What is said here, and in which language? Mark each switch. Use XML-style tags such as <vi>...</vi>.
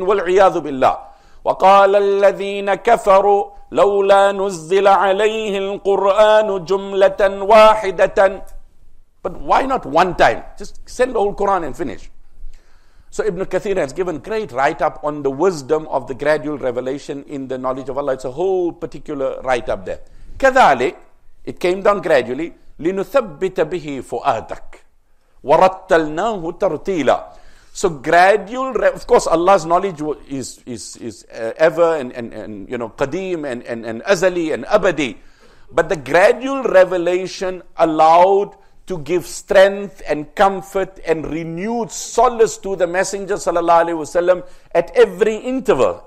<ar>وَالْعِيَاذُ بِاللَّهِ وَقَالَ الَّذِينَ كَفَرُوا لَوْلَا نُزِّلَ عَلَيْهِ الْقُرْآنُ جُمْلَةً وَاحِدَةً.</ar> <en>But why not one time? Just send the whole Quran and finish. So Ibn Kathir has given great write-up on the wisdom of the gradual revelation in the knowledge of Allah. It's a whole particular write-up there. كذلك, it came down gradually.</en> <ar>لِنُثَبِّتَ بِهِ فُؤَادَكَ وَرَتَّلْنَاهُ تَرْتِيلًا.</ar> <en>So gradual, of course, Allah's knowledge is ever and you know, qadim and azali and abadi. But the gradual revelation allowed to give strength and comfort and renewed solace to the Messenger sallallahu alaihi wasallam at every interval.</en>